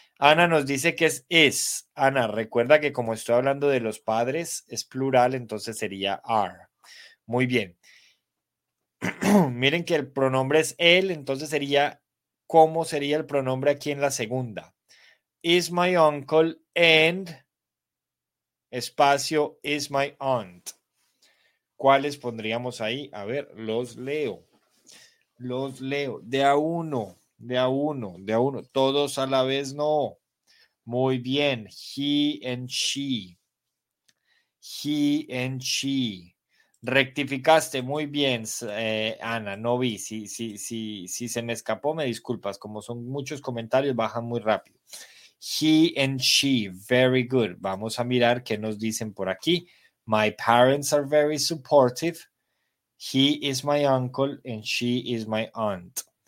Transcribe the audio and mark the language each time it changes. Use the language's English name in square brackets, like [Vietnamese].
[Spanish] Ana nos dice que es. Ana, recuerda que como estoy hablando de los padres, es plural, entonces sería are. Muy bien. Miren que el pronombre es él, entonces sería, ¿cómo sería el pronombre aquí en la segunda? [English] Is my uncle and espacio is my aunt. [Spanish] ¿Cuáles pondríamos ahí? A ver, los leo. Los leo. De a uno, de a uno, de a uno. Todos a la vez, no. Muy bien. [English] He and she. He and she. [Spanish] Rectificaste muy bien, Ana. No vi. Si se me escapó, me disculpas. Como son muchos comentarios, bajan muy rápido. [English] He and she. Very good. [Spanish] Vamos a mirar qué nos dicen por aquí. [English] My parents are very supportive. He is my uncle and she is my aunt.